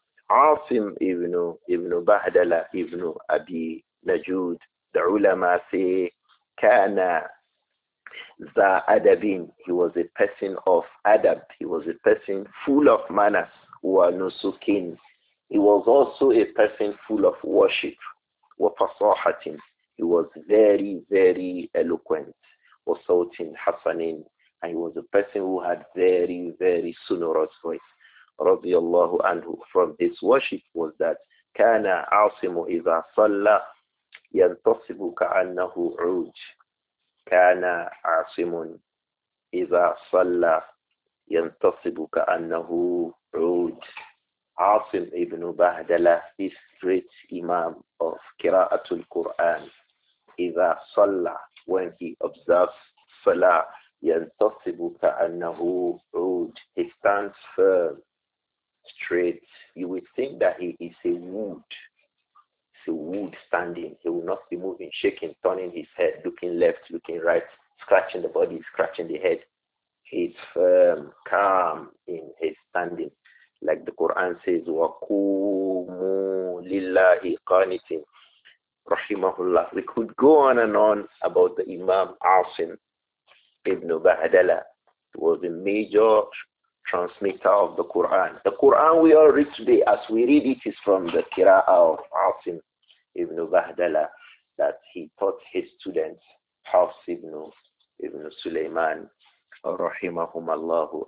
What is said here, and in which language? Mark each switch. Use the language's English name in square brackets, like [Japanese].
[English] Asim ibn Bahdala ibn Abi Najud, the ulama say, [Arabic] kana za adabin, [English] he was a person of adab, he was a person full of manners, [Arabic] wa nusukin, [English] he was also a person full of worship, [Arabic] wa fasahatin, [English] he was very, very eloquent, [Arabic] wa sawtin hasanin, [English] and he was a person who had very, very sonorous voice, radiyallahu anhu. From his worship was that, [Arabic] kana asimu iza salla, يَنْتَصِبُ كَأَنَّهُ عُوجٌ كَانَ عَاصِمٌ إِذَا صَلَّى يَنْتَصِبُ كَأَنَّهُ عُوجٌ. [English] عاصم ابن بهدلة, this great imam of [Arabic] قراءة القرآن, إذا صلى, [English] when he observes صلاة, [Arabic] يَنْتَصِبُ كَأَنَّهُ عُوجٌ, [English] he stands firm, straight. You would think that he is a wood. A wood standing, he will not be moving, shaking, turning his head, looking left, looking right, scratching the body, scratching the head. He's firm, calm in his standing. Like the Quran says, [Arabic] وَقُومُ لِلَّهِ قَانِتِينَ رَحِمَهُ اللَّهِ. [English] We could go on and on about the Imam Asim ibn Bahdala, who was a major transmitter of the Quran. The Quran we all read today, as we read it, is from the Qira'a of Asim ibn Bahdala, that he taught his students, Hafs ibn Sulaiman, rahimahum Allahu.